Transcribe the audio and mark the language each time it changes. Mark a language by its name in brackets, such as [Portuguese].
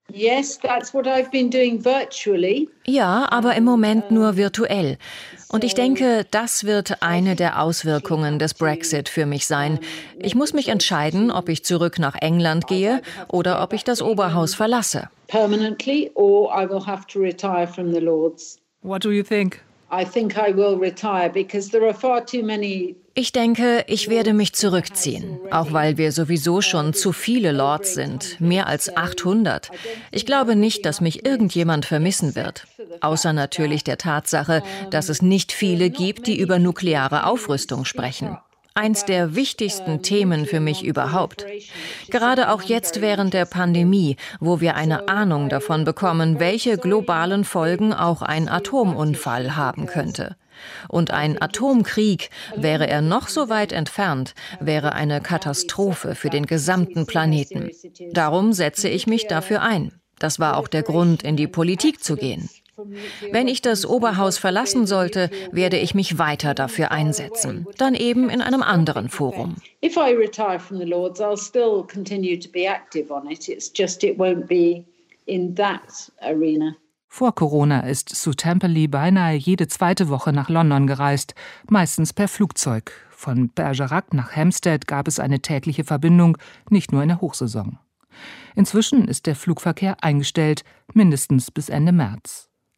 [English] Yes, that's what I've been doing virtually. [German] Ja, aber im Moment nur virtuell. Und ich denke, das wird eine der Auswirkungen des Brexit für mich sein. Ich muss mich entscheiden, ob ich zurück nach England gehe oder ob ich das Oberhaus verlasse. [English] Permanently, or I will have to retire from the Lords. What do you think? I think I will retire because there are far too many. [German] Ich denke, ich werde mich zurückziehen, auch weil wir sowieso schon zu viele Lords sind, mehr als 800. Ich glaube nicht, dass mich irgendjemand vermissen wird. Außer natürlich der Tatsache, dass es nicht viele gibt, die über nukleare Aufrüstung sprechen. Eins der wichtigsten Themen für mich überhaupt. Gerade auch jetzt während der Pandemie, wo wir eine Ahnung davon bekommen, welche globalen Folgen auch ein Atomunfall haben könnte. Und ein Atomkrieg, wäre er noch so weit entfernt, wäre eine Katastrophe für den gesamten Planeten. Darum setze ich mich dafür ein. Das war auch der Grund, in die Politik zu gehen. Wenn ich das Oberhaus verlassen sollte, werde ich mich weiter dafür einsetzen. Dann eben in einem anderen Forum. [English] If I retire from the Lords, I'll still continue to be active on it. It's just it won't be in that arena. [German] Vor Corona ist Sue Temperley beinahe jede zweite Woche nach London gereist, meistens per Flugzeug. Von Bergerac nach Hampstead gab es eine tägliche Verbindung, nicht nur in der Hochsaison. Inzwischen ist der Flugverkehr eingestellt, mindestens bis Ende März.